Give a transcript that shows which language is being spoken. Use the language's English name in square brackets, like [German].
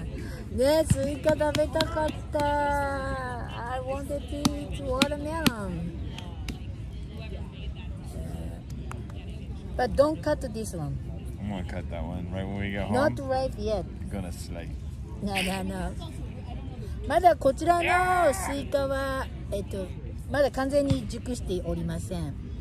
[Japanese] ねえ、スイカ食べたかった。 [English] I wanted to eat watermelon. But don't cut this one. I'm gonna cut that one right when we get home. Not right yet. I'm gonna slice. No. [Japanese] まだこちらのスイカは、まだ完全に熟しておりません。